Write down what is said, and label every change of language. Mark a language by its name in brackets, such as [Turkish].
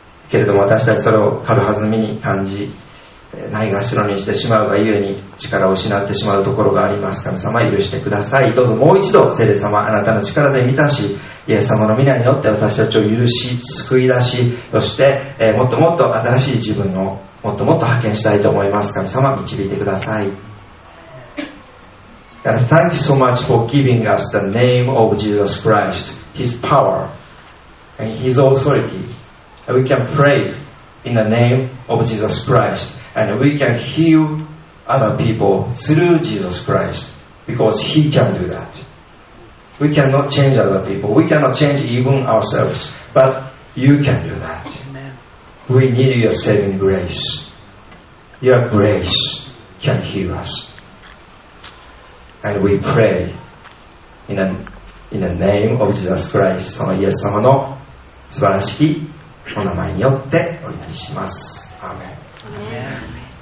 [Japanese] けれども私たちそれを軽はずみに感じ、ないがしろにしてしまうがゆえに力を失ってしまうところがあります。神様、許してください。どうぞもう一度聖霊様、あなたの力で満たし、イエス様の御名によって私たちを許し、救い出し、そしてもっともっと新しい自分をもっともっと派遣したいと思います。神様、導いてください。 [English] God, thank you so much for giving us the name of Jesus Christ, His power and His authority. We can pray in the name of Jesus Christ and we can heal other people through Jesus Christ because He can do that. We cannot change other people. We cannot change even ourselves, but You can do that. We need your saving grace. Your grace can heal us. And we pray in the name of Jesus Christ. [Japanese] そのイエス様の素晴らしきお名前によってお祈りします。アーメン。アーメン。